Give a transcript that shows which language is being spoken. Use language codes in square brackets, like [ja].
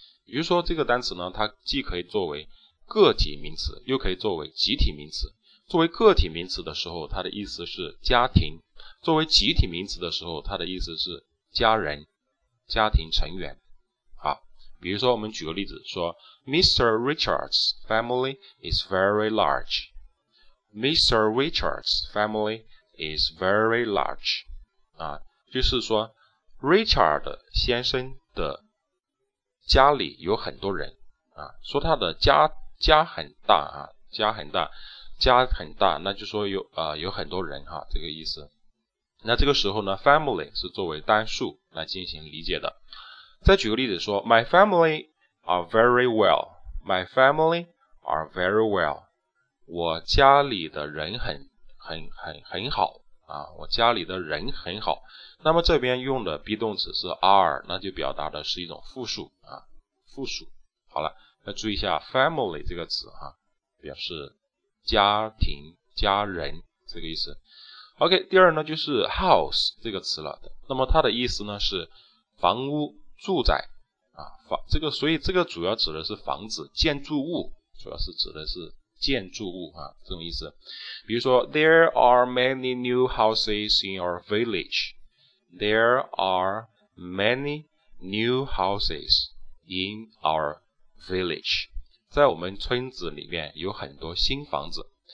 [zh] 比如说这个单词呢，它既可以作为个体名词，又可以作为集体名词。作为个体名词的时候，它的意思是家庭；作为集体名词的时候，它的意思是家人、家庭成员。好，比如说我们举个例子说 Mr. [en] Richards' family is very large， Mr. Richards' family is very large [zh] 啊，就是说 Richard 先生的家里有很多人啊，说他的家很大啊，家很大，家很大，那就说有很多人哈，这个意思。那这个时候呢 ，family 是作为单数来进行理解的。再举个例子说 [en] ，My family are very well. My family are very well. [zh] 我家里的人很好啊，我家里的人很好。那么这边用的 be 动词是 are， 那就表达的是一种复数啊，复数。好了。要注意一下 family 这个词哈，表示家庭、家人这个意思。 OK， 第二呢就是 house 这个词了。那么它的意思呢是房屋、住宅啊，这个所以这个主要指的是房子、建筑物，主要是指的是建筑物啊这种意思。比如说 [en] ，There are many new houses in our village. There are many new houses in our village， [zh] 在我们村子里面有很多新房子。